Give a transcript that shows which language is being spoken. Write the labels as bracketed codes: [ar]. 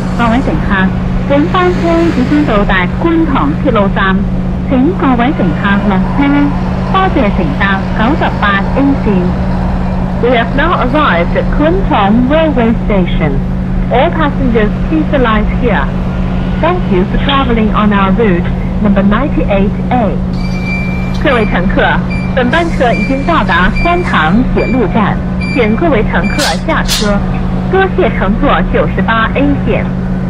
[zh] 位乘客，本班车已经到达观塘铁路站，请各位乘客落车，多谢乘搭98 A 线。 [en] We have now arrived at Kuntong Railway Station. All passengers, please alight here. Thank you for traveling on our route number 98A. [zh] 各位乘客，本班车已经到达观塘铁路站，请各位乘客下车，多谢乘坐98 A 线。